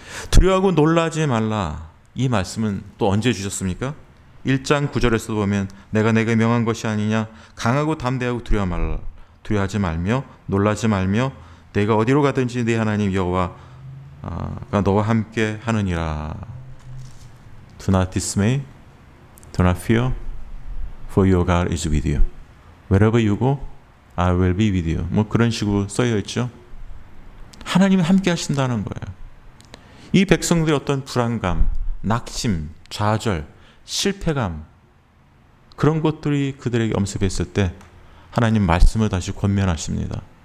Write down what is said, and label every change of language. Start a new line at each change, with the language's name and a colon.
Korean: 두려워하고 놀라지 말라 이 말씀은 또 언제 주셨습니까? 1장 9절에서 보면 내가 내게 명한 것이 아니냐 강하고 담대하고 두려워 말라 두려워하지 말며 놀라지 말며 내가 어디로 가든지 네 하나님 여호와가 너와 함께 하느니라.
English: Do not dismay, do not fear, for your God is with you. Wherever you go, I will be with you.
Korean: 뭐 그런 식으로 쓰여 있죠. 하나님이 함께 하신다는 거예요. 이 백성들의 어떤 불안감, 낙심, 좌절, 실패감 그런 것들이 그들에게 엄습했을 때 하나님 말씀을 다시 권면하십니다.